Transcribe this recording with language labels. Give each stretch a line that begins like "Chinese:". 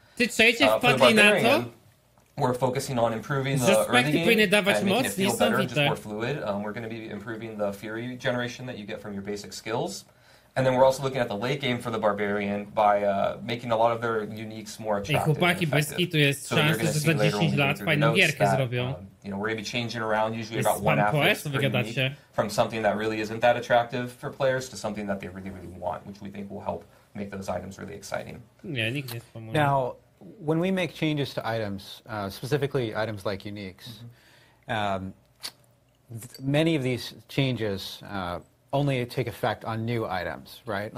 Polish: Ty trzecie wpadli na to?
English: We're focusing on improving the early game and making it feel better, just more fluid. We're going to be improving the fury generation that you get from your basic skills. And then we're also looking at the late game for the Barbarian by making a lot of their uniques more attractive.
Polish: Chłopaki, bez kitu jest szansa, że za 10 lat fajną gierkę zrobią.
English: You know, we're going to be changing around usually about one aspect from something that really isn't that attractive for players to something that they really, really want, which we think will help make those items really exciting. Now, when we make changes to items, specifically items like uniques, many of these changes only take effect on new items, right?